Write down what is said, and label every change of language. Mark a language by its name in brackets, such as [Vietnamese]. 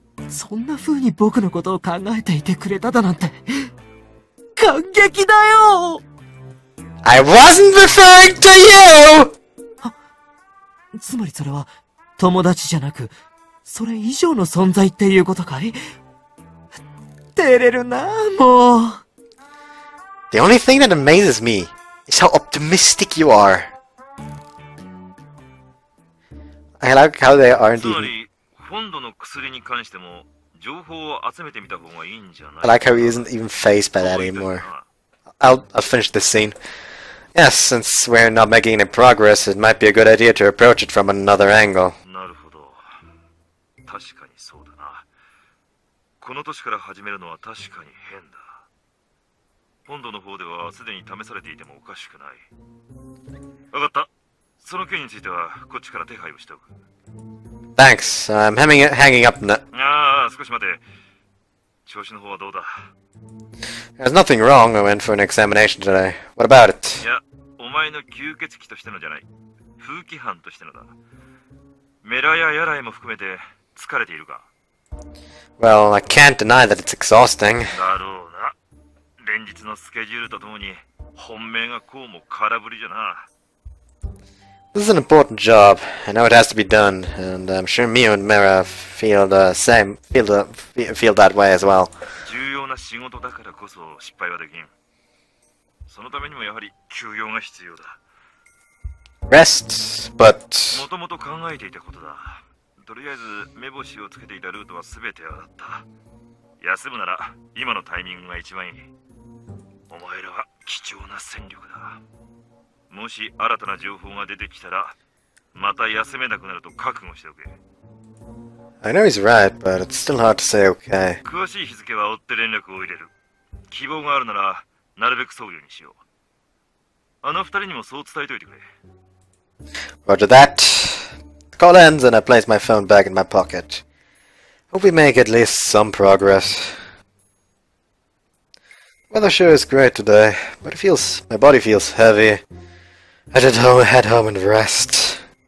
[Japanese] そんな風に僕のことを考えていてくれただなんて、感激だよ。 [English] I wasn't referring to you! [Japanese] つまりそれは、友達じゃなく、それ以上の存在っていうことかい? 照れるなぁ、もう。 [English] The only thing that amazes me is how optimistic you are. I like how they aren't even... [Japanese] つまり、今度の薬に関しても、情報を集めてみた方がいいんじゃないか? [English] I like how he isn't even fazed by that anymore. I'll finish this scene. Yes, since we're not making any progress, it might be a good idea to approach it from another angle. [Japanese] なるほど。確かにそうだな。この年から始めるのは確かに変だ。本土の方ではすでに試されていてもおかしくない。わかった。その件についてはこっちから手配をしておく。 [English] Thanks. I'm hanging up now. [Japanese] ああ、少し待て。調子の方はどうだ? [English] There's nothing wrong. I went for an examination today. What about it? [Japanese] いや、お前の吸血鬼としてのじゃない。風紀犯としてのだ。メラやヤライも含めて疲れているか? [English] Well, I can't deny that it's exhausting. [Japanese] だろうな。連日のスケジュールとともに本命がこうも空振りじゃな。 [English] This is an important job. I know it has to be done, and I'm sure Mio and Mera feel that way as well. [Japanese] 重要な仕事だからこそ失敗はできん。そのためにもやはり休養が必要だ。 [English] Rest, but... [Japanese] もともと考えていたことだ。とりあえず目星をつけていたルートは全てあった。休むなら今のタイミングが一番いい。お前らは貴重な戦力だ。もし新たな情報が出てきたら、また休めなくなると覚悟しておけ。 [English] I know he's right, but it's still hard to say okay. [Japanese] 詳しい日付は追って連絡を入れる。希望があるなら、なるべくそういうようにしよう。あの二人にもそう伝えておいてくれ。 [English] Roger that. The call ends and I place my phone back in my pocket. Hope we make at least some progress. Weather sure is great today, but my body feels heavy. I should head home and rest.